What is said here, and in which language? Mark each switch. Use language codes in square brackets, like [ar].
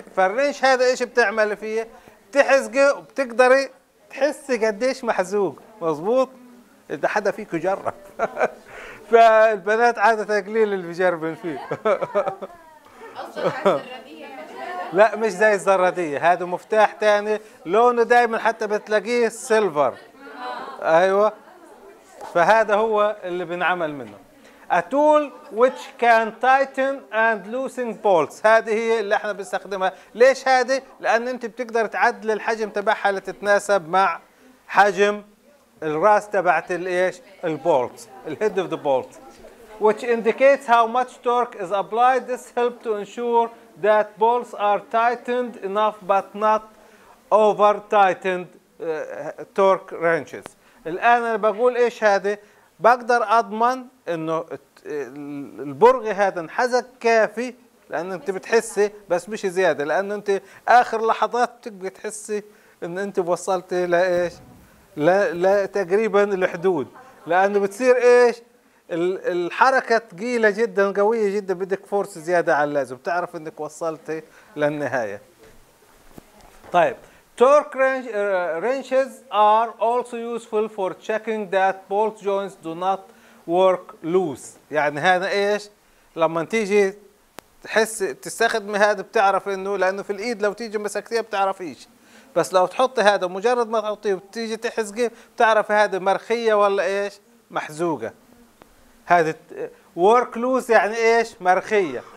[ar] فالرنش هذا ايش بتعمل فيه؟ بتحزقه وبتقدري تحسي قديش محزوق، مظبوط؟ اذا حدا فيكم جرب. فالبنات عادة قليل اللي بيجربن فيه. لا مش زي الزرادية، هذا مفتاح تاني لونه دائما حتى بتلاقيه سيلفر. ايوه. فهذا هو اللي بنعمل منه. [en] A tool which can tighten and loosen bolts. [ar] هذه هي اللي احنا بنستخدمها. ليش هذه؟ لأن أنت بتقدر تعدل الحجم تبعها لتتناسب مع حجم الراس تبعت الايش؟ البولت، [en] الهيد of the bolt. Which indicates how much torque is applied. This helps to ensure that bolts are tightened enough but not over tightened torque wrenches. [ar] الآن أنا بقول ايش هذه؟ بقدر أضمن إنه البرغي هذا انحزق كافي، لأن أنت بتحسي بس مش زيادة، لأنه أنت آخر لحظات بتبقي تحسي إن أنت وصلتي لإيش؟ لا لا تقريبا الحدود، لانه بتصير ايش الحركه ثقيله جدا قويه جدا، بدك فورس زياده على اللازم بتعرف انك وصلتي للنهايه. [en] طيب torque wrenches are also useful for checking that bolt joints do not work loose. [ar] يعني هذا ايش لما تيجي تحس تستخدم هذا بتعرف انه، لانه في الايد لو تيجي مسكتيها بتعرف ايش، بس لو تحطي هذا مجرد ما تحطيه وتيجي تحزقي بتعرف هذا مرخية ولا ايش محزوقة. هذا [en] work loose [ar] يعني ايش؟ مرخية.